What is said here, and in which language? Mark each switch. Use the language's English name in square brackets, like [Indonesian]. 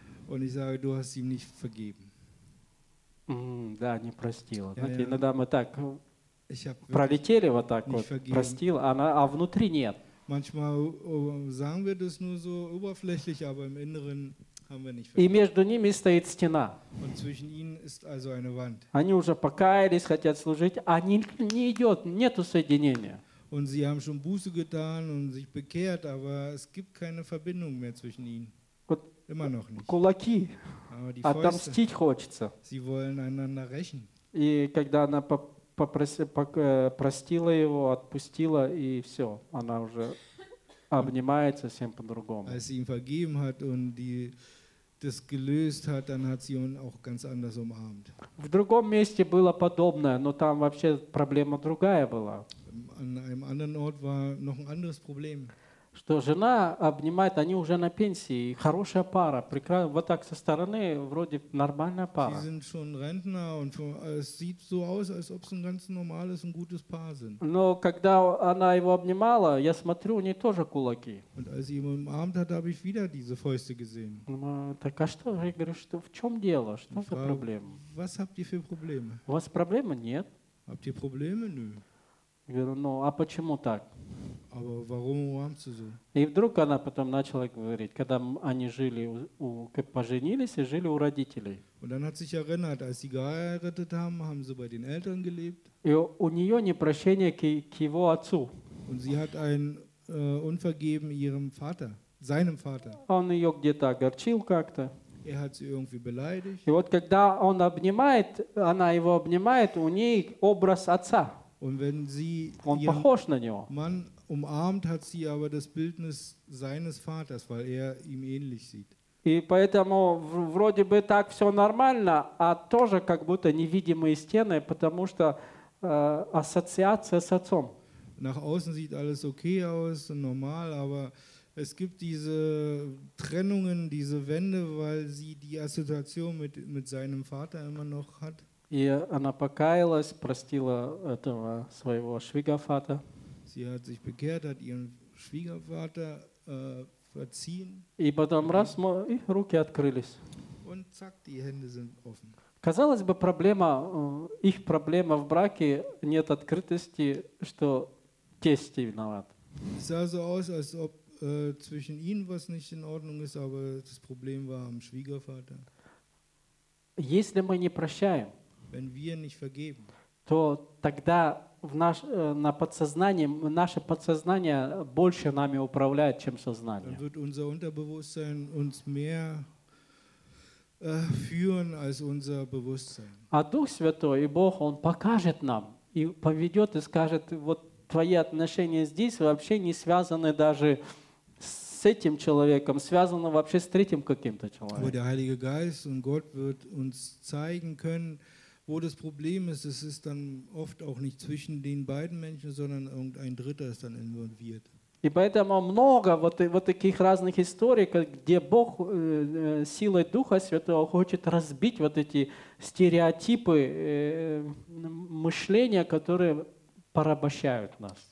[German] Und ich sage, du hast ihm nicht vergeben. [Russian] Да, не простила. Знаете, иногда мы так пролетели вот так вот, простил, а внутри нет. [German] Manchmal sagen wir das nur so oberflächlich, aber im Inneren haben wir nicht. [Russian] И между ними стоит стена. [German] Und zwischen ihnen ist also eine Wand. [Russian] Они уже покаялись, хотят служить, а не идет, нету соединения. [German] Und sie haben schon Buße getan und sich bekehrt, aber es gibt keine Verbindung mehr zwischen ihnen. [Russian] Вот [German] immer noch nicht. [Russian] Кулаки. [German] Aber die Fäuste, [Russian] отомстить хочется. [German] Sie wollen einander rächen. [Russian] И когда она простила его, отпустила, и все. Она уже обнимается всем по-другому. [German] Als sie ihm vergeben hat und die das gelöst hat, dann hat sie ihn auch ganz anders umarmt. [Russian] В другом месте было подобное, но там вообще проблема другая была. [German] An einem anderen Ort war noch ein anderes Problem. [Russian] Что жена обнимает, они уже на пенсии, хорошая пара, прекрасно, вот так со стороны вроде нормальная пара. [German] Sie sind schon Rentner und es sieht so aus, als ob sie ein ganz normales und gutes Paar sind. [Russian] Но когда она его обнимала, я смотрю, у нее тоже кулаки. [German] Und als sie ihn umarmt hat, habe ich wieder diese Fäuste gesehen. [Russian] Так а что, я говорю, что в чем дело, что за проблема? [German] Was habt ihr für Probleme? [Russian] У вас проблемы нет? [German] Habt ihr Probleme? Nö. [Russian] Я говорю, ну а почему так? [German] Aber warum umarmst du so? [Russian] И вдруг она потом начала говорить, когда они жили, поженились и жили у родителей. [German] Und dann hat sich erinnert, als sie geheiratet haben, haben sie bei den Eltern gelebt. [Russian] И у нее непрощение к его отцу. [German] Und sie hat ein Unvergeben ihrem Vater, seinem Vater. [Russian] Он ее где-то огорчил как-то. [German] Er hat sie irgendwie beleidigt. [Russian] И вот когда он обнимает, она его обнимает, у ней образ отца. [German] Und wenn sie [Russian] он похож на него. [German] Mann umarmt hat sie aber das Bildnis seines Vaters, weil er ihm ähnlich sieht. [Russian] И поэтому вроде бы так все нормально, а тоже как будто невидимые стены, потому что ассоциация с отцом. [German] Nach außen sieht alles okay aus, normal, aber es gibt diese Trennungen, diese Wände, weil sie die Assoziation mit seinem Vater immer noch hat. [Russian] И она покаялась, простила этого своего Schwiegervater. [German] Sie hat sich bekehrt, hat ihren Schwiegervater verziehen. [Russian] И потом раз, и руки открылись. [German] Und zack, die Hände sind offen. [Russian] Казалось бы, проблема, их проблема в браке нет открытости, что тесть виноват. [German] Es sah so aus, als ob zwischen ihnen was nicht in Ordnung ist, aber das Problem war am Schwiegervater. [Russian] Если мы не прощаем, [German] wenn wir nicht vergeben, [Russian] то тогда на подсознании, наше подсознание больше нами управляет, чем сознание. [German] Dann wird unser Unterbewusstsein uns mehr führen als unser Bewusstsein. [Russian] А Дух Святой и Бог, Он покажет нам и поведет и скажет, вот твои отношения здесь вообще не связаны даже с этим человеком, связаны вообще с третьим каким-то человеком. [German] Der Heilige Geist und Gott wird uns zeigen können, wo das Problem ist, es ist dann oft auch nicht zwischen den beiden Menschen, sondern irgendein Dritter ist dann involviert. [Russian] И поэтому много вот таких разных историй, где Бог силой Духа Святого хочет разбить вот эти стереотипы мышления, которые порабощают нас.